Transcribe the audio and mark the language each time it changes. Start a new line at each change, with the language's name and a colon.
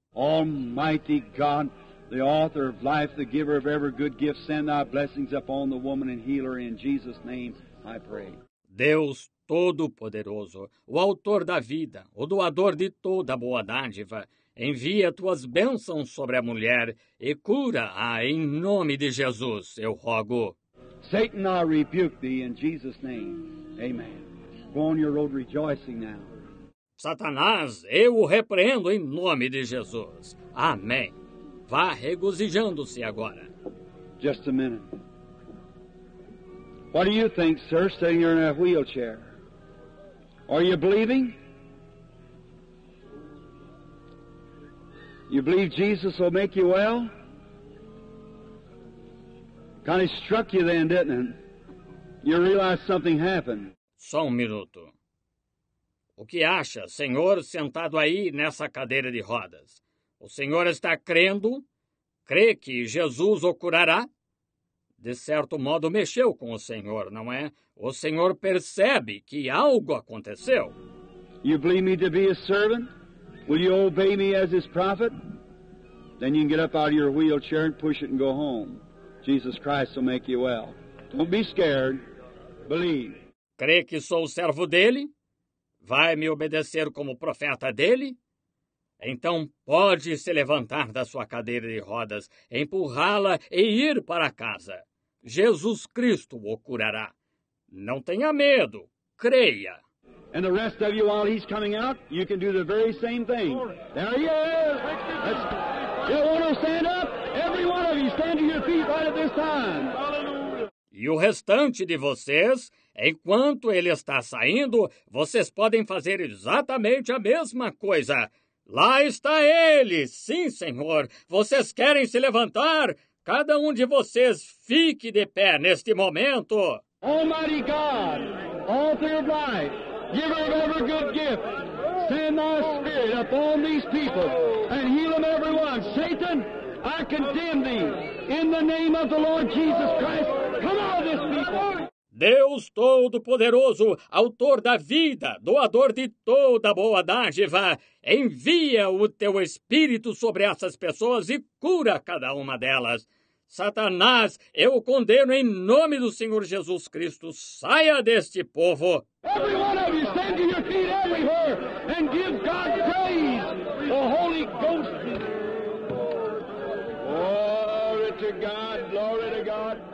English: Almighty God, the author of life, the giver of every good gift, send thy blessings upon the woman and heal her in Jesus' name, I pray.
Portuguese: Deus Todo-Poderoso, o autor da vida, o doador de toda boa dádiva, envia tuas bênçãos sobre a mulher e cura-a em nome de Jesus, eu rogo.
English: Satan, I rebuke thee in Jesus' name. Amen. Go on your road rejoicing now.
Portuguese: Satanás, eu o repreendo em nome de Jesus. Amém. Vá regozijando-se agora.
English: Just a minute. What do you think, sir, sitting here in a wheelchair? Are you believing? You believe Jesus will make you well? Kind of struck you then, didn't it? You realize something happened.
Portuguese: Só um minuto. O que acha, Senhor, sentado aí nessa cadeira de rodas? O Senhor está crendo? Crê que Jesus o curará? De certo modo, mexeu com o Senhor, não é? O Senhor percebe que algo aconteceu.
English: You believe me to be a servant? Will you obey me as his prophet? Then you can get up out of your wheelchair and push it and go home. Jesus Christ will make you well. Don't be scared. Believe.
Portuguese: Crê que sou o servo dele? Vai me obedecer como profeta dele? Então pode se levantar da sua cadeira de rodas, empurrá-la e ir para casa. Jesus Cristo o curará. Não tenha medo. Creia.
English: And the rest of you, while he's coming out, you can do the very same thing. There he is. Let's... You want to stand up? Every one of you, stand to your feet right at this time.
Portuguese: E o restante de vocês, enquanto ele está saindo, vocês podem fazer exatamente a mesma coisa. Lá está ele. Sim, senhor. Vocês querem se levantar? Cada um de vocês fique de pé neste momento.
English: Almighty God, author of life, giver of every good gift, send thy spirit upon these people and heal them everyone. Satan, I condemn thee in the name of the Lord Jesus Christ. Come out of this people.
Portuguese: Deus Todo-Poderoso, autor da vida, doador de toda boa dádiva, envia o teu Espírito sobre essas pessoas e cura cada uma delas. Satanás, eu o condeno em nome do Senhor Jesus Cristo. Saia deste povo.
English: Every one of you stand to your feet everywhere and give God praise. The Holy Ghost. Glory to God, glory to God.